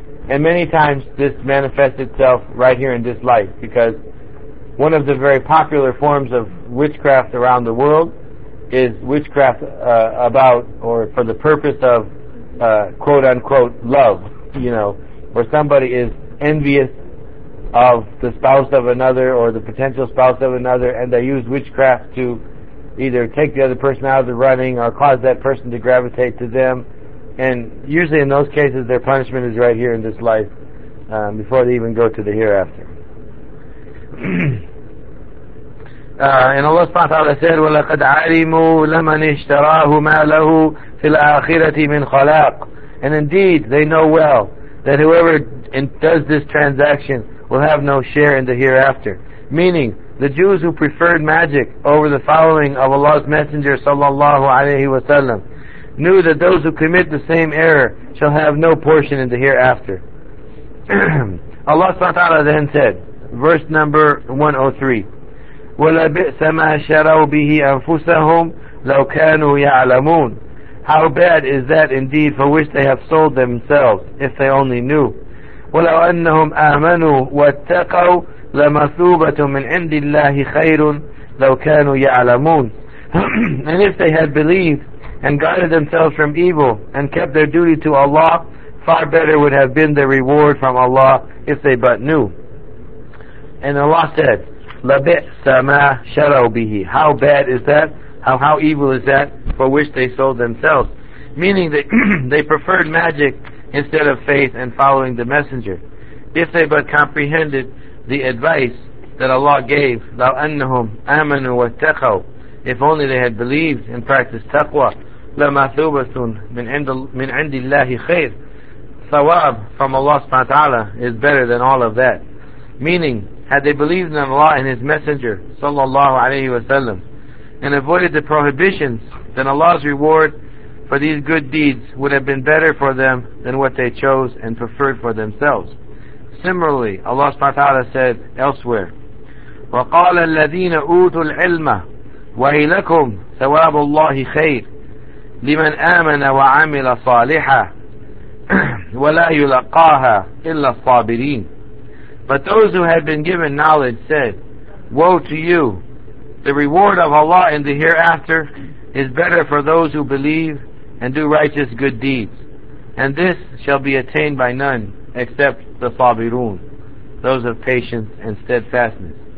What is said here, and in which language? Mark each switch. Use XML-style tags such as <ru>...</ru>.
<en>And many times this manifests itself right here in this life, because one of the very popular forms of witchcraft around the world is witchcraft for the purpose of quote-unquote love, you know, where somebody is envious of the spouse of another or the potential spouse of another, and they use witchcraft to either take the other person out of the running or cause that person to gravitate to them. And usually in those cases, their punishment is right here in this life, before they even go to the hereafter. And Allah subhanahu wa ta'ala said,</en> <ar>وَلَقَدْ عَلِمُوا لَمَنِ اشْتَرَاهُ مَا لَهُ فِي الْآخِرَةِ مِنْ خَلَاقٍ.</ar> <en>And indeed, they know well that whoever does this transaction will have no share in the hereafter. Meaning, the Jews who preferred magic over the following of Allah's Messenger sallallahu alayhi wa sallam knew that those who commit the same error shall have no portion in the hereafter. Allah subhanahu wa ta'ala then said, verse number 103,</en> <ar>وَلَبِئْسَ مَا شَرَوْا بِهِ أَنفُسَهُمْ لَوْ كَانُوا يَعْلَمُونَ.</ar> <en>How bad is that indeed for which they have sold themselves, if they only knew.</en> <ar>وَلَوْ أَنَّهُمْ آمَنُوا وَاتَّقَوْا لَمَثُوبَةٌ مِنْ عِنْدِ اللَّهِ خَيْرٌ لَوْ كَانُوا يَعْلَمُونَ.</ar> <en>And if they had believed and guided themselves from evil and kept their duty to Allah, far better would have been the reward from Allah if they but knew. And Allah said,</en> <ar>لَبِئْسَ مَا شَرَوْا بِهِ.</ar> <en>How bad is that? How evil is that for which they sold themselves? Meaning that they preferred magic instead of faith and following the Messenger. If they but comprehended the advice that Allah gave,</en> <ar>لَوْ أَنَّهُمْ آمَنُوا وَاتَّقَوْا,</ar> <en>if only they had believed and practiced taqwa,</en> <ar>لَمَثُوبَةٌ مِنْ عِنْدِ اللَّهِ خَيْرٍ,</ar> <en>thawab from Allah subhanahu wa ta'ala is better than all of that. Meaning, had they believed in Allah and His Messenger sallallahu alayhi wa sallam and avoided the prohibitions, then Allah's reward for these good deeds would have been better for them than what they chose and preferred for themselves. Similarly, Allah subhanahu wa ta'ala said elsewhere,</en> <ar>وَقَالَ الَّذِينَ أُوتُوا الْعِلْمَ وَإِلَكُمْ ثَوَابُ اللَّهِ خَيْرٍ لِمَنْ آمَنَ وَعَمِلَ صَالِحًا وَلَا يُلَقَّاهَا إِلَّا الصَّابِرِينَ.</ar> <en>But those who had been given knowledge said, woe to you! The reward of Allah in the hereafter is better for those who believe and do righteous good deeds. And this shall be attained by none except the sabirun, those of patience and steadfastness.</en>